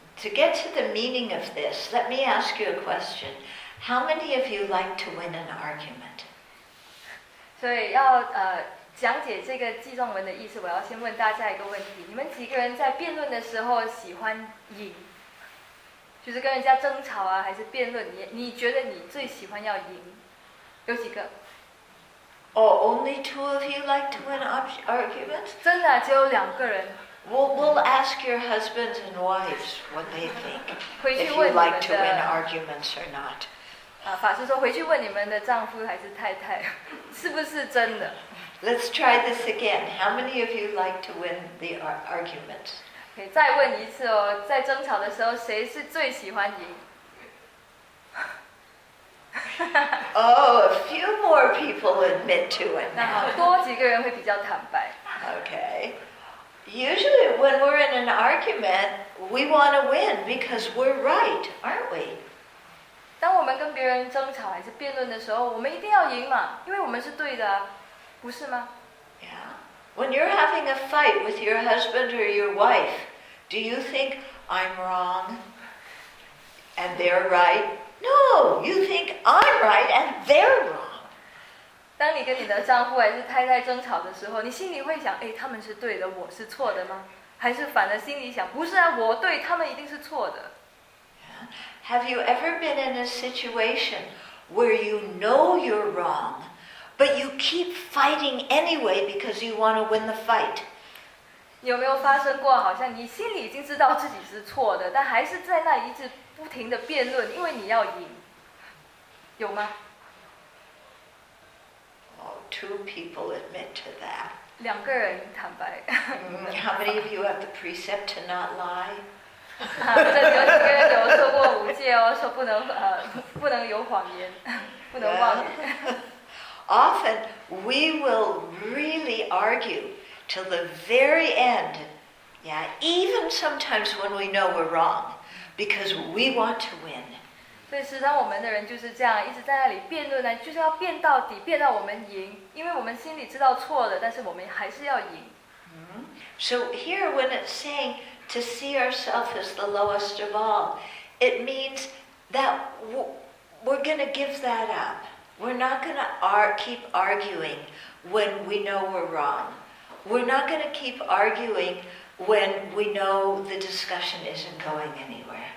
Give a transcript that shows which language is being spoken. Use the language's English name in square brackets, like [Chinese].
[English] To get to the meaning of this, let me ask you a question. How many of you like to win an argument? [Chinese] 所以要讲解这个记账文的意思，我要先问大家一个问题：你们几个人在辩论的时候喜欢赢，就是跟人家争吵啊，还是辩论？你觉得你最喜欢要赢？有几个？ [English] Oh, only two of you like to win arguments? [Chinese] 真的，只有两个人。 [English] We'll ask your husbands and wives what they think. If you like to win arguments or not. [Chinese] 法师说回去问你们的丈夫还是太太，是不是真的？ [English] Let's try this again. How many of you like to win the arguments? [Chinese] 可以再问一次哦，在争吵的时候，谁是最喜欢赢？ [English] Oh, a few more people admit to it now. [Chinese] 那好，多几个人会比较坦白。 [English] Okay. Usually when we're in an argument, we want to win because we're right, aren't we? [Chinese] 当我们跟别人争吵还是辩论的时候，我们一定要赢嘛，因为我们是对的啊，不是吗？ [English] When you're having a fight with your husband or your wife, do you think I'm wrong and they're right? No, you think I'm right and they're wrong. [Chinese] 当你跟你的丈夫还是太太争吵的时候，你心里会想，哎，他们是对的，我是错的吗？还是反而心里想，不是啊，我对，他们一定是错的。 [English] Have you ever been in a situation where you know you're wrong? But you keep fighting anyway because you want to win the fight. [Chinese] 有没有发生过好像你心里已经知道自己是错的，但还是在那一直不停的辩论，因为你要赢，有吗？ [English] Oh, two people admit to that. [Chinese] 两个人坦白。 [English] How many of you have the precept to not lie? [Chinese] 这有几个人有受过五戒哦，说不能有谎言，不能妄言。 [English] Often, we will really argue till the very end. Yeah, even sometimes when we know we're wrong, because we want to win. [Chinese] 所以时常我们的人就是这样，一直在那里辩论呢，就是要辩到底，辩到我们赢，因为我们心里知道错了，但是我们还是要赢。 [English] So here, when it's saying to see ourselves as the lowest of all, it means that we're going to give that up. We're not going to keep arguing when we know we're wrong. We're not going to keep arguing when we know the discussion isn't going anywhere.